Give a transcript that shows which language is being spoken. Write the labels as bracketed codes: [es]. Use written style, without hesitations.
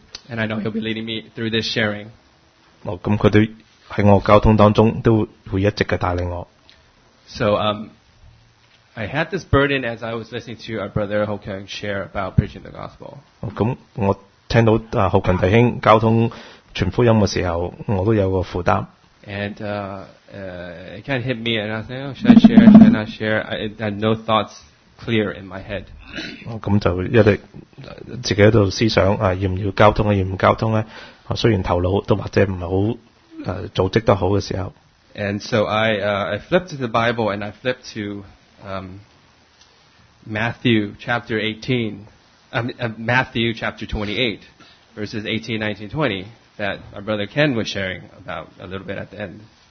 [en] And I know he'll be leading me through this sharing. [yue] 咁佢都喺我交通當中都會一直嘅帶領我。 [en] So, I had this burden as I was listening to our brother Ho Kang share about preaching the gospel. [yue] 咁我聽到浩勤弟兄交通傳福音嘅時候，我都有個負擔。 [en] And it kind of hit me, and I was like, oh, should I share? Should I not share? I had no thoughts clear in my head. [yue] 咁就一直自己喺度思想啊，要唔要交通啊，要唔交通咧？啊，雖然頭腦都或者唔係好組織得好嘅時候。 [en] And so I flipped to the Bible, and I flipped to Matthew chapter 18, Matthew chapter 28, verses 18, 19, 20, that our brother Ken was sharing about a little bit at the end.